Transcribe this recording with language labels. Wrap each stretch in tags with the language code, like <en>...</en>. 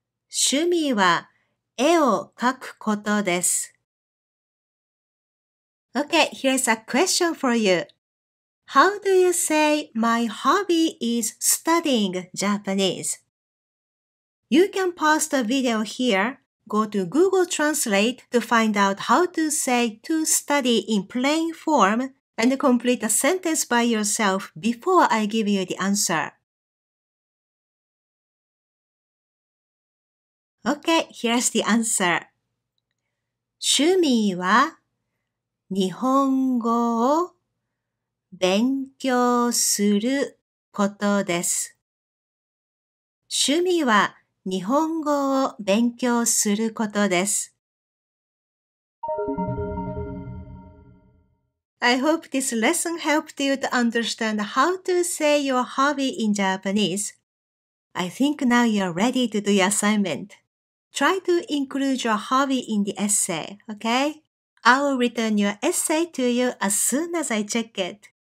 <ja>趣味は絵を描くことです。</ja> <en>Okay, here's a question for you. How do you say my hobby is studying Japanese? You can pause the video here. Go to Google Translate to find out how to say to study in plain form and complete a sentence by yourself before I give you the answer. Okay, here's the answer.</en> <ja>趣味は日本語を勉強することです。趣味は日本語を勉強することです。</ja> <en>I hope this lesson helped you to understand how to say your hobby in Japanese. I think now you're ready to do your assignment. Try to include your hobby in the essay, okay? I will return your essay to you as soon as I check it.</en>